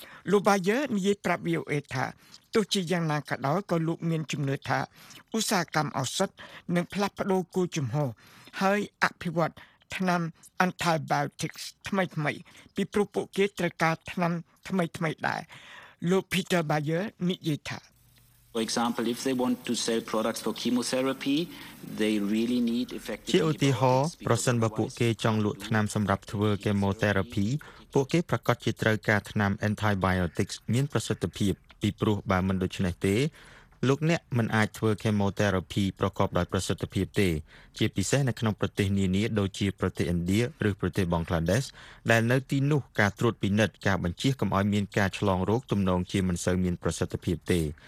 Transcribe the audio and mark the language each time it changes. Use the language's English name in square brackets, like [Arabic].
[Khmer] លោកបាយើនិយាយប្រាប់ VOA ថាទោះជាយ៉ាងណាក៏ដោយក៏លោកមានជំនឿថាឧស្សាហកម្មអូសតនឹងផ្លាស់ប្ដូរគោលជំហរហើយអភិវឌ្ឍថ្នាំ antibiotics ថ្មីៗពីព្រោះពួកគេត្រូវការថ្នាំថ្មីៗដែរលោក Peter Bayer និយាយថា [English] For example if they want to sell products for chemotherapy they really need effective [Khmer] ជាឧទាហរណ៍ប្រសិនបើពួកគេចង់លក់ថ្នាំសម្រាប់ធ្វើ chemotherapy ពួកគេប្រកាសជាត្រូវការថ្នាំ antibiotics មានប្រសិទ្ធភាពពីព្រោះបើមិនដូច្នេះទេលោកអ្នកមិនអាចធ្វើ chemotherapy ប្រកបដោយប្រសិទ្ធភាពទេជាពិសេសនៅក្នុងប្រទេសនានាដូចជាប្រទេសឥណ្ឌាឬប្រទេសបង់ក្លាដេសដែលនៅទីនោះការត្រួតពិនិត្យការបញ្ជាកុំឲ្យមានការឆ្លងរោគទំនងជាមិនសូវមានប្រសិទ្ធភាពទេ